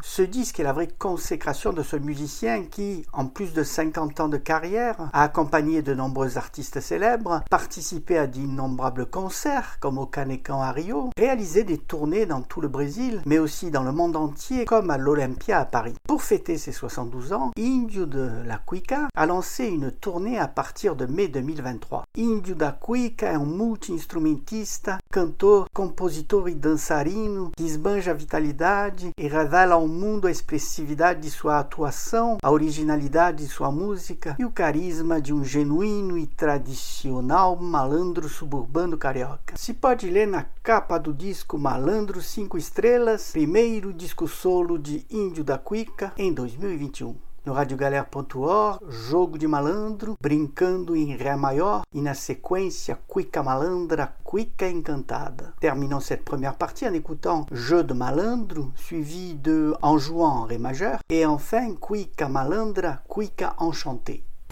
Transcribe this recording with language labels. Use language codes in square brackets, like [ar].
[fr] Ce disque est la vraie consécration de ce musicien qui, en plus de 50 ans de carrière, a accompagné de nombreux artistes célèbres, participé à d'innombrables concerts comme au Canecão à Rio, réalisé des tournées dans tout le Brésil, mais aussi dans le monde entier comme à l'Olympia à Paris. Pour fêter ses 72 ans, Indio de la Cuica a lancé une tournée à partir de mai 2023. [pt] Indio da Cuica é multi-instrumentista, cantor, compositor e dançarino que esbanja a vitalidade e revela ao mundo a expressividade de sua atuação, a originalidade de sua música e o carisma de um genuíno e tradicional malandro suburbano carioca. Se pode ler na capa do disco Malandro 5 Estrelas, primeiro disco solo de Indio da Cuica em 2021. No radiogalera.org, Jogo de Malandro, Brincando em Ré Maior e na sequência Cuica Malandra, Cuica Encantada. [fr] Terminons cette première partie en écoutant Jeu de Malandro, suivi de En jouant en Ré Majeur et enfin Cuica Malandra, Cuica Enchantée.